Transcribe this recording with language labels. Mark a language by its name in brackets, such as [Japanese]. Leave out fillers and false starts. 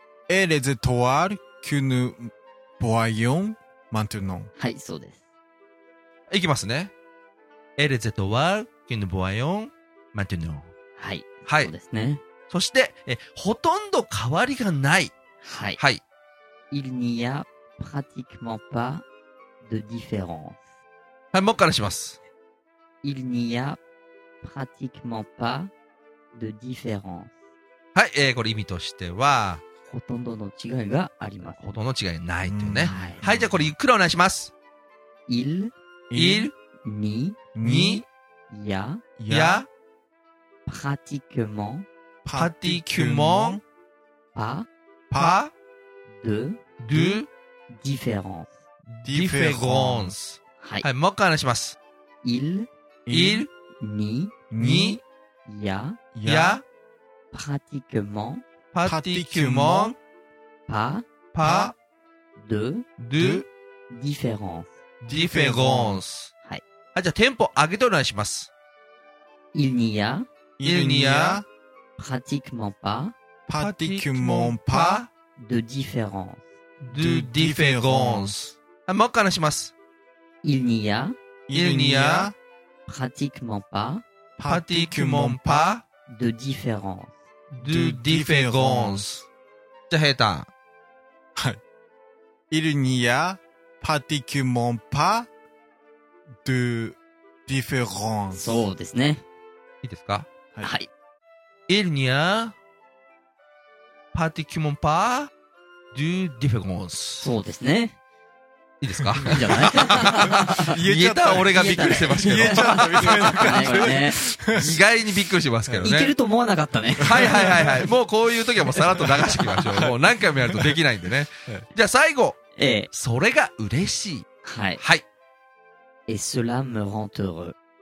[French] Et les étoiles que nous voyons maintenant. [Japanese] はい、そうです。いきますね。 [French] Et les étoiles que nous voyons maintenant. [Japanese] はい。はい。そうですね。そして、ほとんど変わりがない。はい。はい。 [French] Il n'y a pratiquement pas de différence. [Japanese] はい、もう一回します。 [French] Il n'y a pratiquement pas de différence. [Japanese] はい、これ意味としてはほとんどの違いがあります。ほとんど違いないっていうね。はい、はい、じゃあこれゆっくりお願いします。 [French] il il ni ni ya ya pratiquement pratiquement pas pas de différence différence [Japanese] はい、はい、もう一回お願いします。 [French] il ni ni ya ya Pratiquement, pratiquement, pas de différence. Différence. [Japanese] はい。あ、じゃあテンポ上げてお願いします。 [French] Il n'y a pratiquement pas, pratiquement pas de différence. De différence. [Japanese] あ、もう一回お願いします。 [French] Il n'y a pratiquement pas, pratiquement pas de différence. De différence. [Japanese] じゃあ、ヘイタン。はい。 [French] Il n'y a pratiquement pas de différence. [Japanese] そうですね。いいですか？はい。はい、 [French] Il n'y a pratiquement pas de différence. [Japanese] そうですね。いいですか？いいんじゃない？言えちゃった、俺がびっくりしてますけど。言えちゃった、意外にびっくりしてますけどね。いけると思わなかったね。はいはいはいはい。もうこういう時はもうさらっと流していきましょう。もう何回もやるとできないんでね。じゃあ最後。それが嬉しい。はい。はい。 [French] Et cela me rend heureux。